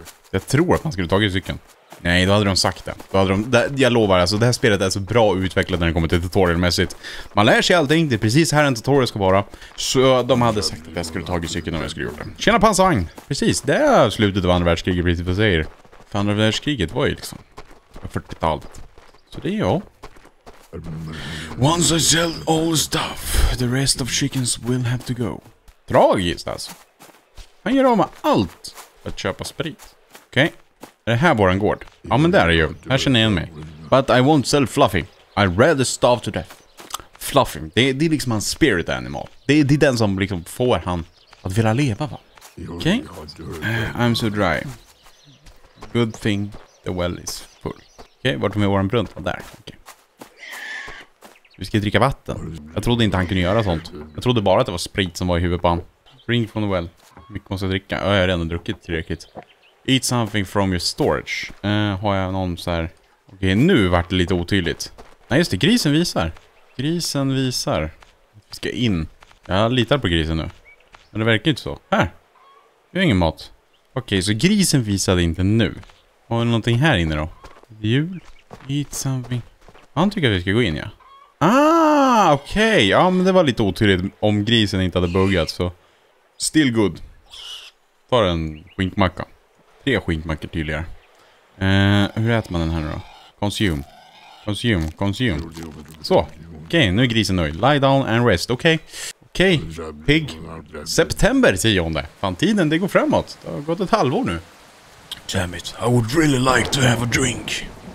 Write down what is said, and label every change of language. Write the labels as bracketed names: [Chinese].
[Swedish] Jag tror att man skulle tagit cykeln. Nej, då hade de sagt det. Då hade de, jag lovar, alltså, det här spelet är så bra utvecklat när det kommer till tutorialmässigt. Man lär sig allting. Det är precis här en tutorial ska vara. Så de hade sagt att jag skulle tagit cykeln om jag skulle gjort det. Tjena pansarvagn. Precis, det är slutet av andra världskriget. Precis vad säger. För andra världskriget var ju liksom 40-talet. Så det är jag. [English] Once I sell all stuff, the rest of chickens will have to go. [Swedish] Tragiskt alltså. Han gör av med allt för att köpa sprit. Okej. Okay. Är det här våran gård? Ja, men där är ju. Här känner jag mig. [English] But I won't sell Fluffy. I rather starve to death. [Swedish] Fluffy, det är liksom hans spirit animal. Det är den som liksom får han att vilja leva, va? Okej. Okay. [English] I'm so dry. Good thing the well is full. [Swedish] Okej, okay, vart är vår brunt? Där, okej. Okay. Vi ska dricka vatten. Jag trodde inte han kunde göra sånt. Jag trodde bara att det var sprit som var i huvudet på han. [English] Drink from the well. [Swedish] Mycket måste jag dricka. Ja, jag har redan druckit tillräckligt. [English] Eat something from your storage. [Swedish] Har jag någon så här... Okej, nu vart det lite otydligt. Nej, just det. Grisen visar. Grisen visar. Vi ska in. Jag litar på grisen nu. Men det verkar inte så. Här. Vi har ingen mat. Okej, så grisen visade inte nu. Har vi någonting här inne då? Jul. [English] Eat something. [Swedish] Han tycker att vi ska gå in, ja. Ah, okej. Okay. Ja, men det var lite otydligt om grisen inte hade buggat, så... [English] Still good. [Swedish] Ta en skinkmacka. Tre skinkmackor tydligare. Hur äter man den här nu då? Consume. Consume, consume. Så. Okej, okay, nu är grisen nöjd. [English] Lie down and rest. [Swedish] Okej. Okay. Okej, okay. Pig. September, säger John det. Fan, tiden, det går framåt. Det har gått ett halvår nu. [English] Damn it. I would really like to have a drink.